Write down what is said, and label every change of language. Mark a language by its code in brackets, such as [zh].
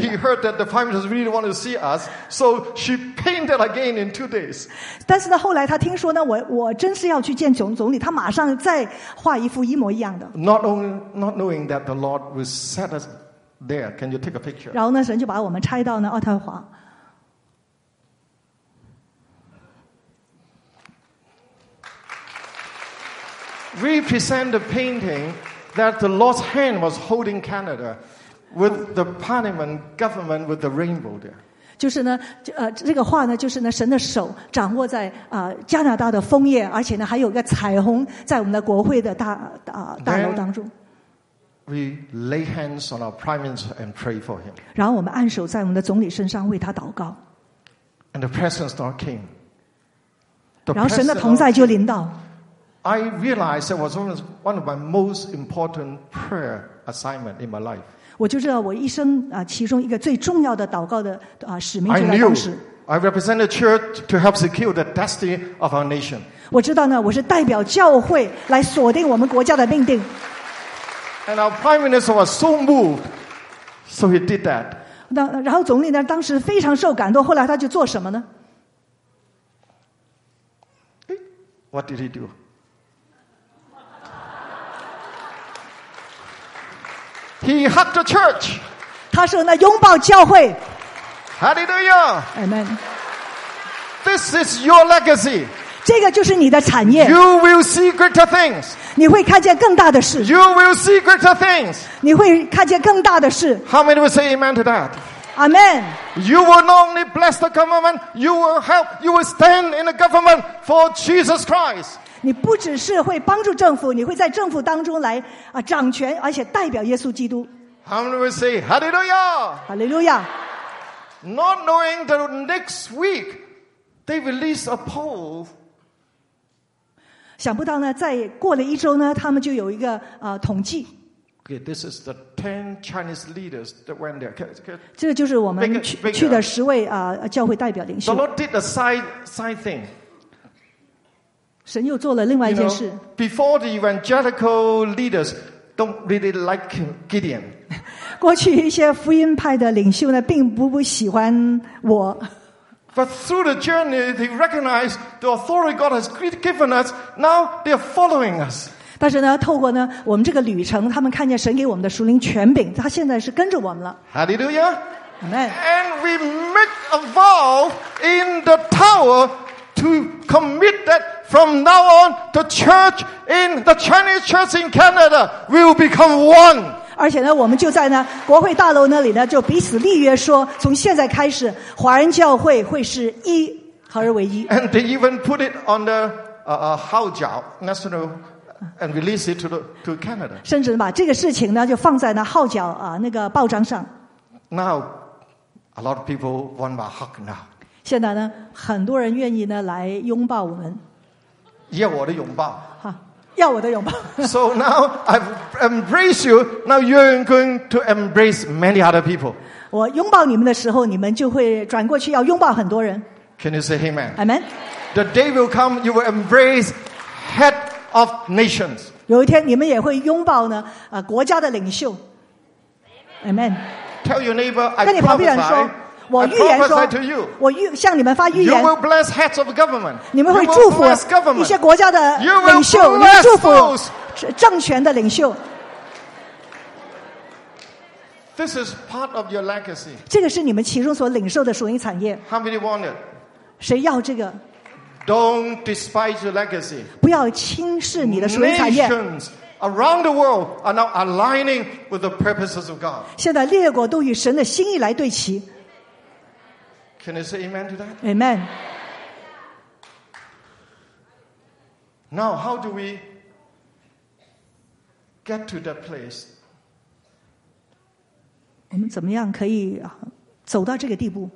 [en] Then he heard that the prime minister really wanted to see us, so she painted again in 2 days. [zh] 但是呢，后来他听说呢，我真是要去见总理，他马上再画一幅一模一样的。 [en] Not knowing that the Lord will set us there, can you take a picture? [zh] 然后呢，神就把我们差到呢渥太华。 [en] We present a painting that the Lord's hand was holding Canada with the Parliament government with the rainbow there. [zh] 就是呢，这个画呢，就是呢，神的手掌握在加拿大的枫叶，而且呢，还有一个彩虹在我们的国会的大楼当中。 [en] We lay hands on our Prime Minister and pray for him. [zh] 然后我们按手在我们的总理身上为他祷告。 [en] And the presence of the Lord came. [zh] 然后神的同在就临到。 [en] I realized that was one of my most important prayer assignment in my life. [zh] 我就知道我一生其中一个最重要的祷告的使命就在当时。 [en] I represent the church to help secure the destiny of our nation. [zh] 我知道呢，我是代表教会来锁定我们国家的命定。 [en] And our prime minister was so moved, so he did that. [zh] 然后总理呢，当时非常受感动，后来他就做什么呢 [en] ？What did he do? He hugged the church. [zh] 他说呢，拥抱教会。 [en] Hallelujah. Amen. This is your legacy. [zh] 这个就是你的产业。 [en] You will see greater things. [zh] 你会看见更大的事。 [en] You will see greater things. [zh] 你会看见更大的事。 [en] How many will say amen to that? Amen. You will not only bless the government, you will help, you will stand in the government for Jesus Christ. [zh] 你不只是会帮助政府，你会在政府当中来掌权，而且代表耶稣基督。 [en] How many will say Hallelujah? Hallelujah. Not knowing that next week they release a poll. [zh] 想不到呢，在过了一周呢，他们就有一个统计。 [en] Okay, this is the 10 Chinese leaders that went there. Okay, okay. [zh] 这个就是我们 去的十位教会代表领袖。 [en] The Lord did a side thing. [zh] 神又做了另外一件事。 [en] You know, before the evangelical leaders don't really like Gideon. [zh] 过去一些福音派的领袖呢，并不喜欢我。 [en] But through the journey, they recognize the authority God has given us. Now they are following us. [zh] 但是呢，透过呢我们这个旅程，他们看见神给我们的属灵权柄，他现在是跟着我们了。 [en] Hallelujah. Amen. And we make a vow in the tower to commit that from now on, the church in the Chinese church in Canada will become one. [zh] 而且呢，我们就在呢国会大楼那里呢，就彼此立约说，从现在开始，华人教会会是一，合而为一。 [en] And they even put it on the Haojiao National and release it to Canada. [zh] 甚至把这个事情呢，就放在那号角啊那个报章上。 [en] Now, a lot of people want my hug now. [zh] 现在呢，很多人愿意呢来拥抱我们。要我的拥抱。要我的拥抱。 [en] So now I've embraced you. Now you're going to embrace many other people. [zh] 我拥抱你们的时候，你们就会转过去要拥抱很多人。 [en] Can you say Amen? Amen. The day will come you will embrace head of nations. [zh] 有一天你们也会拥抱呢，国家的领袖。 [en] Amen. Tell your neighbor, [zh] 跟你旁边人说，我预言说， [en] I prophesy to you, [zh] 我向你们发预言， [en] you will bless heads of government, [zh] 你们会祝福一些国家的领袖， [en] you will [zh] 你们祝福政权的领袖。 [en] This is part of your legacy. [zh] 这个是你们其中所领受的属灵产业。 [en] How many want it? [zh] 谁要这个？ [en] Don't despise your legacy. [zh] 不要轻视你的属灵产业。 [en] Nations around the world are now aligning with the purposes of God. [zh] 现在列国都与神的心意来对齐。 [en] Can you say amen to that? Amen. Now, how do we get to that place? [zh] 我们怎么样可以走到这个地步？